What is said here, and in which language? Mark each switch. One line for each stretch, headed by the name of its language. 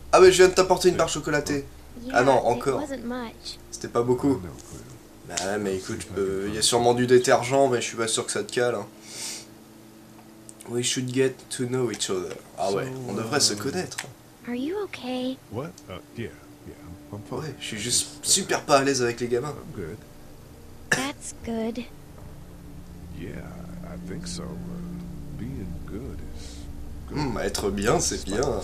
French: Ah, mais je viens de t'apporter une barre chocolatée. Ah non,
English: Yeah, it
French: encore.
English: wasn't much.
French: C'était pas beaucoup. Bah, mais écoute, y a sûrement du détergent, mais je suis pas sûr que ça te cale. Hein.
English: We should get to know each other.
French: Ah ouais, on devrait se connaître.
English: Are you okay? What? Yeah, I'm fine.
French: Ouais, je suis juste super pas à l'aise avec les gamins.
English: I'm good. That's good. Yeah, I think so. Being good is good.
French: Être bien, c'est bien.